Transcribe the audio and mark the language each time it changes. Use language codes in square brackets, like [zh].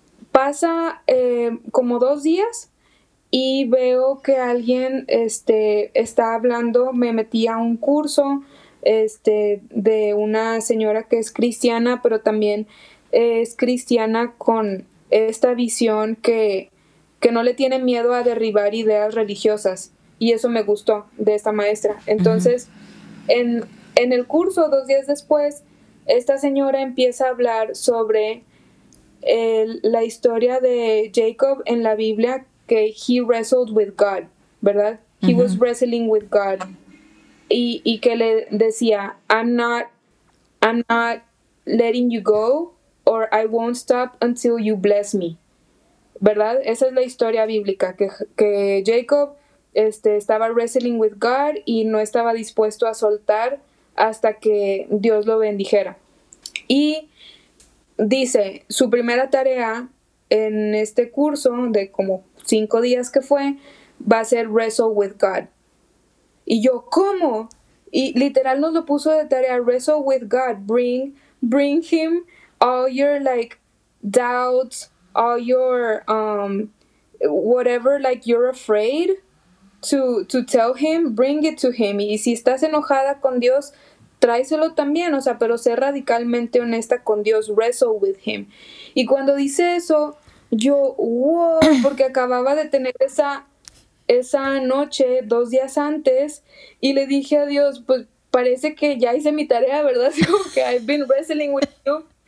[es] Pasa como 2 días y veo que alguien está hablando, me metí a un curso de una señora que es cristiana, pero también es cristiana con esta visión que no le tiene miedo a derribar ideas religiosas, y eso me gustó de esta maestra. Entonces, uh-huh, en el curso, 2 días después, esta señora empieza a hablar sobre la historia de Jacob en la Biblia, que [en] he wrestled with God, [es] ¿verdad? [en] He, uh-huh, was wrestling with God. [es] Y que le decía, [en] I'm not letting you go, or I won't stop until you bless me. [es] ¿Verdad? Esa es la historia bíblica, que Jacob estaba [en] wrestling with God [es] y no estaba dispuesto a soltar hasta que Dios lo bendijera. Y dice, su primera tarea en este curso de como 5 días que fue, va a ser [en] wrestle with God. [es] Y yo, ¿cómo? Y literal nos lo puso de tarea, [en] wrestle with God, bring him all your like doubts, all your whatever, like you're afraid to tell him, bring it to him. [es] Y si estás enojada con Dios, tráeselo también, o sea, pero sé radicalmente honesta con Dios, [en] wrestle with him. [es] Y cuando dice eso, yo, wow, porque acababa de tener esa noche, 2 días antes, y le dije a Dios, pues parece que ya hice mi tarea, ¿verdad? Como que [en] I've been wrestling with you.